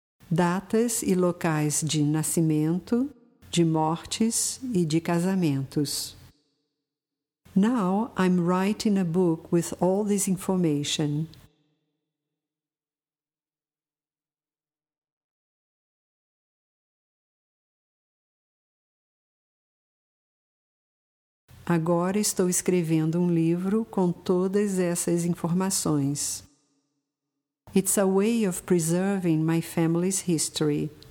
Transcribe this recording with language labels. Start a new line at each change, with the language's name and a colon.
Portuguese: Datas e locais de nascimento, de mortes e de casamentos.
English: Now I'm writing a book with all this information.
Portuguese: Agora estou escrevendo um livro com todas essas informações.
English: It's a way of preserving my family's history.